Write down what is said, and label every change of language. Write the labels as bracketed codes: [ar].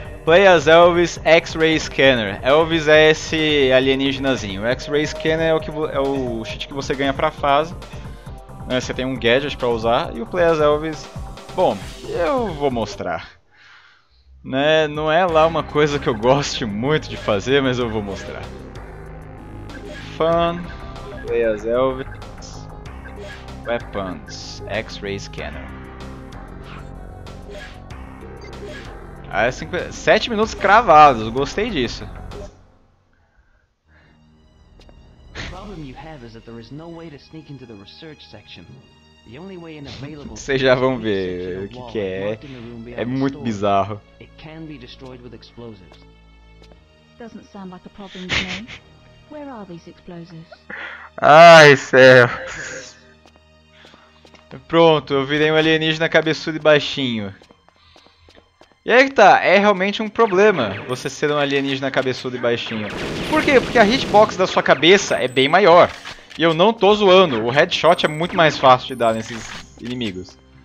[en] Play as Elvis X-Ray Scanner. [pt] Elvis é esse alienígenazinho. O X-Ray Scanner é o cheat que você ganha pra fase. Você tem um gadget pra usar. E o Play as Elvis... Bom, eu vou mostrar. Né? Não é lá uma coisa que eu goste muito de fazer, mas eu vou mostrar. [en] Fun. Play as Elvis. Weapons. X-Ray Scanner. [pt] Ah, 7 minutos cravados, gostei disso. O problema que você tem é que não há nenhuma forma de [en] sneak into the research section. The only way in available. [pt] Vocês já vão ver o que, que é. É muito bizarro. [en] It can be destroyed with explosives. Doesn't sound like a problem to me. Where are these explosives? [pt] Ai, céu. Pronto, eu virei um alienígena cabeçudo e baixinho. E aí que tá, é realmente um problema você ser um alienígena cabeçudo e baixinho. Por quê? Porque a hitbox da sua cabeça é bem maior. E eu não tô zoando, o headshot é muito mais fácil de dar nesses inimigos.